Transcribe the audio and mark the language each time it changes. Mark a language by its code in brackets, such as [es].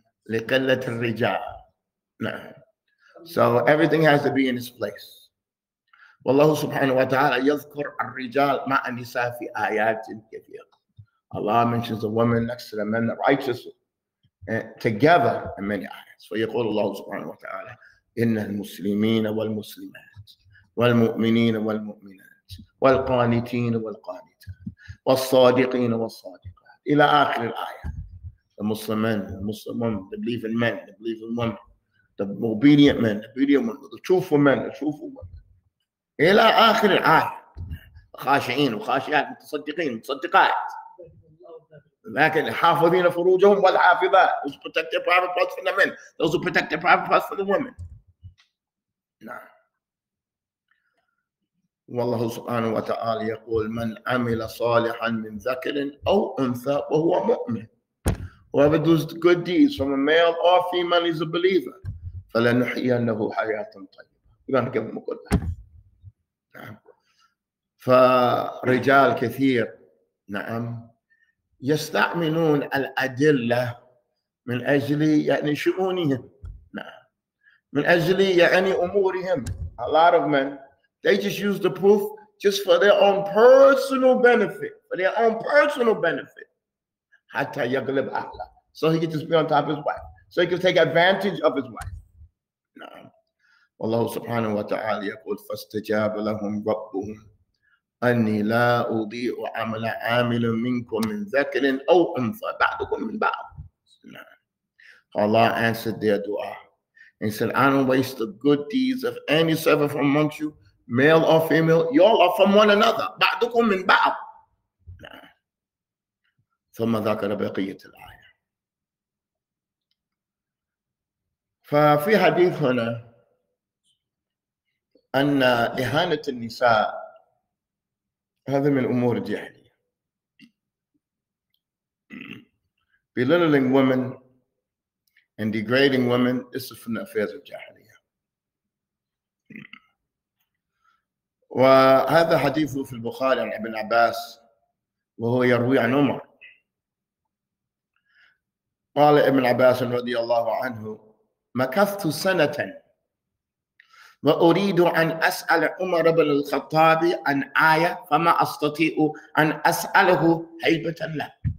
[ar] لقلة الرجال. [en] نعم. So everything has to be in its place. [ar] والله سبحانه وتعالى يذكر الرجال مع النساء في آيات كثيرة. [en] Allah mentions the women next to the men, the righteous, together in many آيات. [ar] فيقول الله سبحانه وتعالى إن المسلمين والمسلمات والمؤمنين والمؤمنات والقانتين والقانتات والصادقين والصادقات إلى آخر الآية. [en] The Muslim men, the Muslim women, the believing men, the believing women, the obedient men, the obedient women, the truthful men, the truthful women. [ar] إلى آخر الآية. خاشعين وخاشعات متصدقين متصدقات. لكن حافظين فروجهم والحافظات. [en] Those who protect their private parts for the men. Those who protect their private parts for the women. [ar] نعم. والله سبحانه وتعالى يقول من عمل صالحا من ذكر أو أنثى وهو مؤمن. [en] Whoever does good deeds from a male or female is a believer. [ar] فَلَنُحْيَنَّهُ حَيَاةً طَيِّبَةً. [en] We're going to give him a good life. [ar] نعم. فرجال كثير نعم يستعملون الأدلة من أجل يعني شؤونهم. نعم. من أجل يعني أمورهم. [en] A lot of men, they just use the proof just for their own personal benefit. For their own personal benefit. [ar] حتى يغلب أهله. [en] So he can just be on top of his wife. So he can take advantage of his wife. نعم. [ar] والله سبحانه وتعالى يقول فاستجاب لهم ربهم أني لا أضيع عمل عامل منكم من ذكر أو أنثى بعضكم من بعض. [en] نعم. Allah answered their dua. He said, I don't waste the good deeds of any servant from amongst you, male or female. Y'all are from one another. [ar] بعضكم من بعض. ثم ذكر بقية الآية. ففي حديث هنا أن إهانة النساء هذا من الأمور الجاهلية. [en] Belittling women and degrading women is from the affairs of جاهلية. [ar] وهذا حديث في البخاري عن ابن عباس وهو يروي عن عمر. قال ابن عباس رضي الله عنه مكثت سنة وأريد أن أسأل عمر بن الخطاب عن آية فما أستطيع أن أسأله هيبة له.